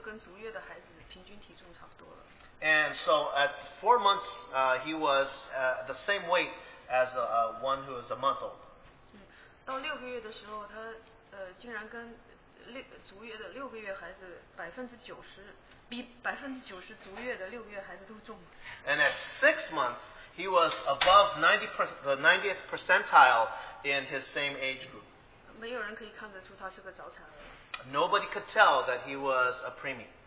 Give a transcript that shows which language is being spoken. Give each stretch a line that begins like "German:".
Chinese: 当他四个月大的时候，他的体重就跟足月的孩子平均体重差不多了。
English: And so at 4 months, he was the same weight as one who is a month old.
Chinese: 到六个月的时候，他竟然跟六个月孩子90%比90%足月的六个月孩子都重。
English: And at 6 months, he was above the 90th percentile in his same age group.
Chinese: 没有人可以看得出他是个早产儿。
English: Nobody could tell that he was a preemie.